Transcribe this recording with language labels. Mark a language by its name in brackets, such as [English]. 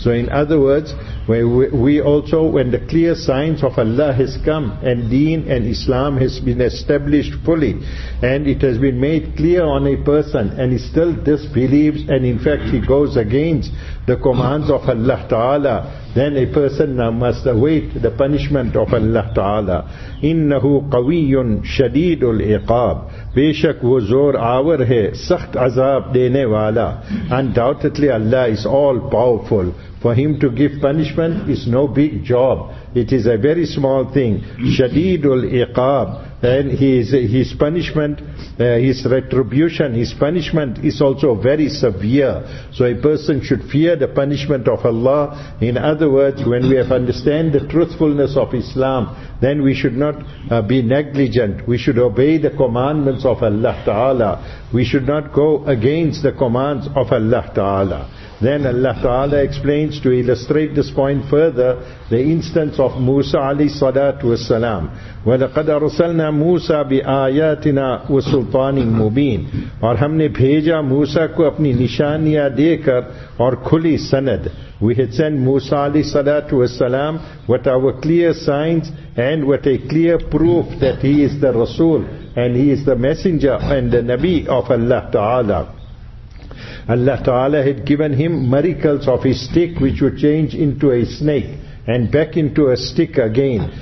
[English] So in other words, we also, when the clear signs of Allah has come and deen and Islam has been established fully and it has been made clear on a person and he still disbelieves and in fact he goes against the commands of Allah Ta'ala, then a person now must await the punishment of Allah Ta'ala. [Arabic] إِنَّهُ قَوِيٌّ شَدِيدُ الْعِقَابِ. [Urdu] بے شک وہ زور آور ہے سخت عذاب دینے والا. [English] Undoubtedly Allah is all powerful. For him to give punishment is no big job. It is a very small thing. Shadidul iqab. And his punishment, his retribution, his punishment is also very severe. So a person should fear the punishment of Allah. In other words, when we have understand the truthfulness of Islam, then we should not be negligent. We should obey the commandments of Allah Ta'ala. We should not go against the commands of Allah Ta'ala. Then Allah Ta'ala explains to illustrate this point further the instance of Musa alayhi salatu was salam. [Arabic] وَلَقَدْ أَرْسَلْنَا مُوسَى بِآيَاتِنَا وَسُلْطَانٍ مُبِينٍ. [Urdu] اور ہم نے بھیجا موسیٰ کو اپنی نشانیاں دے کر اور کھلی سند. [English] We had sent Musa alayhi salatu was salam with our clear signs and with a clear proof that he is the Rasul and he is the messenger and the Nabi of Allah Ta'ala. Allah Ta'ala had given him miracles of his stick which would change into a snake and back into a stick again.